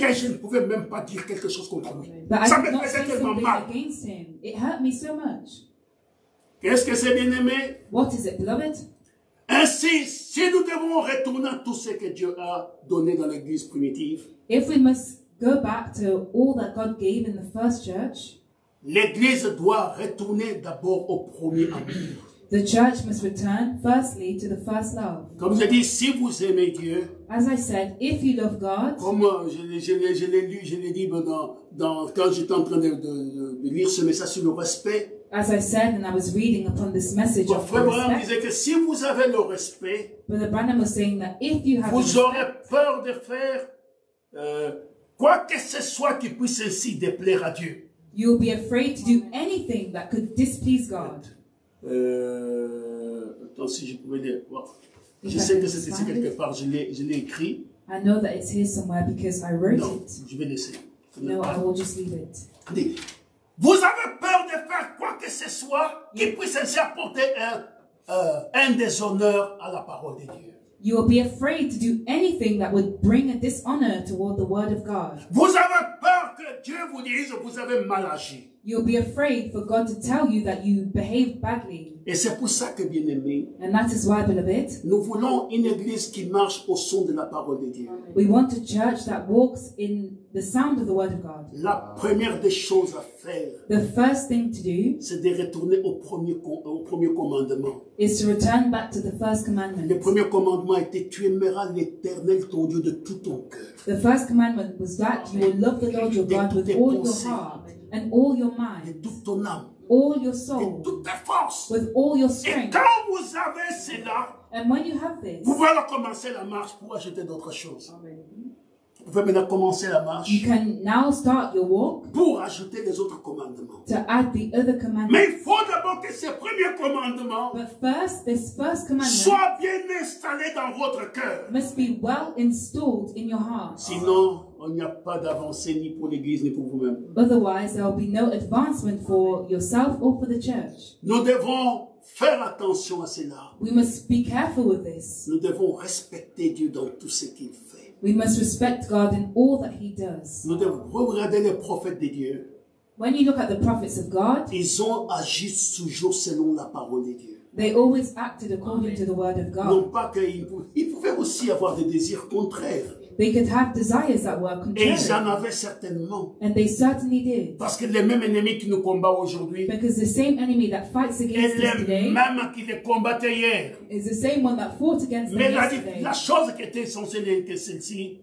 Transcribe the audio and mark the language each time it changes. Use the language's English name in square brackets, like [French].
[French] que je ne pouvais même pas dire quelque chose contre lui. [English] But [French] ça me faisait tellement mal. [English] Against him. It hurt me so much. [French] Qu'est-ce que c'est bien-aimé? [English] What is it, beloved? [French] Ainsi, si nous devons retourner à tout ce que Dieu a donné dans l'église primitive, [English] if we must go back to all that God gave in the first church, [French] l'église doit retourner d'abord au premier amour. [English] The church must return, firstly, to the first love. [French] Comme je dis, si vous aimez Dieu, [English] as I said, if you love God, [French] comme je l'ai dit quand j'étais en train de lire ce message sur le respect, [English] as I said, and I was reading upon this message of respect. [French] Frère Branham disait que si vous avez le respect, [English] Brother Branham was saying that if you have [French] respect, vous aurez peur de faire quoi que ce soit qui puisse ainsi déplaire à Dieu. [English] You will be afraid to do anything that could displease God. [French] Attends, si je pouvais dire, well, je sais que c'est ici quelque part, je l'ai écrit. [English] I know that it's here somewhere because I wrote [French] non, [English] it. [French] Je vais laisser. [English] No, I will just leave it. [French] Vous avez peur de faire quoi que ce soit qui puisse ainsi apporter un déshonneur à la parole de Dieu. [English] You will be afraid to do anything that would bring a dishonor toward the word of God. [French] Vous avez peur que Dieu vous dise vous avez mal agi. [English] You'll be afraid for God to tell you that you behave badly. [French] Et c'est pour ça que bien aimé. [English] And that is why, beloved, [French] nous voulons une église qui marche au son de la parole de Dieu. [English] We want a church that walks in the sound of the word of God. [French] La première des choses à faire. [English] The first thing to do. [French] C'est de retourner au premier commandement. [English] Is to return back to the first commandment. [French] Le premier commandement était tu aimeras l'Éternel ton Dieu de tout ton cœur. [English] The first commandment was that you will love the Lord your God with all your heart. And all your mind, [French] et toute ton âme, [English] all your soul, [French] et toute ta force, [English] with all your strength. [French] Et quand vous avez cela, [English] and when you have this, [French] vous pouvez commencer la marche pour acheter d'autres choses. Vous pouvez maintenant commencer la marche. [English] You can now start your walk [French] pour ajouter les autres commandements. [English] To add the other commandments. [French] Mais il faut d'abord que ce premier commandement, [English] but first, this first commandment, [French] soit bien installé dans votre cœur. [English] Must be well installed in your heart. [French] Sinon, il n'y a pas d'avancée ni pour l'église ni pour vous-même. [English] Otherwise, there will be no advancement for yourself or for the church. [French] Nous devons faire attention à cela. [English] We must be careful with this. [French] Nous devons respecter Dieu dans tout ce qu'il fait. [English] We must respect God in all that He does. [French] Nous devons regarder les prophètes de Dieu. [English] When you look at the prophets of God, [French] ils ont agi toujours selon la parole de Dieu. [English] They always acted according Amen. To the word of God. [French] Non pas qu'ils pouvaient aussi avoir des désirs contraires. [English] They could have desires that were contrary. [French] Et ils en avaient certainement. [English] And they certainly did. [French] Parce que les mêmes ennemis qui nous combattent aujourd'hui. [English] Because the same enemy that fights against us today. [French] Et les mêmes qui les combattaient hier. [English] Is the same one that fought against [French] mais [English] them [French] la, [English] yesterday. [French] La chose qui était essentielle était celle-ci.